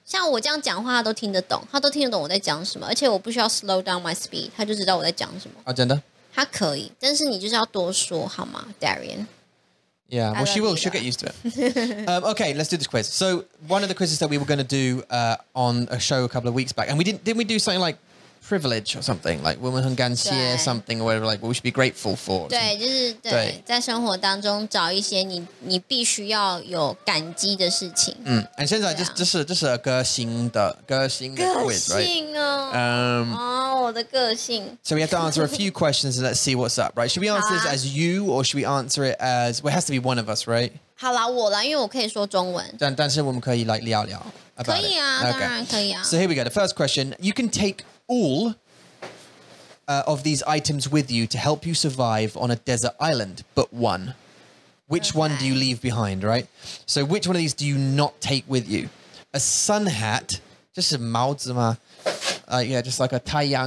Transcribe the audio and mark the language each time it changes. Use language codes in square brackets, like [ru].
[zh] 像我这样讲话，他都听得懂，他都听得懂我在讲什么，而且我不需要 [en] slow down my speed， [zh] 他就知道我在讲什么。啊，真的？他可以，但是你就是要多说，好吗 ，Darian？ [en] Yeah, well, she will. She'll get used to it. Okay, let's do this quiz. So, one of the quizzes that we were going to do on a show a couple of weeks back, and we didn't we do something like? Privilege or something like [zh] 我们很感谢 [en] something or whatever, like what we should be grateful for. [zh] 对，就是 对，在生活当中找一些你必须要有感激的事情。嗯、and 现在这是个性的 quiz, 个性哦、 [en] right? [zh] Oh, 我的个性。 [en] So we have to answer a few questions and let's see what's up, right? Should we answer this as you or should we answer it as, well, it has to be one of us, right? [zh] 好啦，我啦，因为我可以说中文。但是我们可以来聊聊 [en] about [zh] 可以啊、 [en] okay. [zh] 当然可以啊。 [en] So here we go, the first question, you can takeAll of these items with you to help you survive on a desert island, but one. Which、okay. one do you leave behind, right? So which one of these do you not take with you? A sun hat, just a 帽子吗?Yeah, just like a [zh] 太阳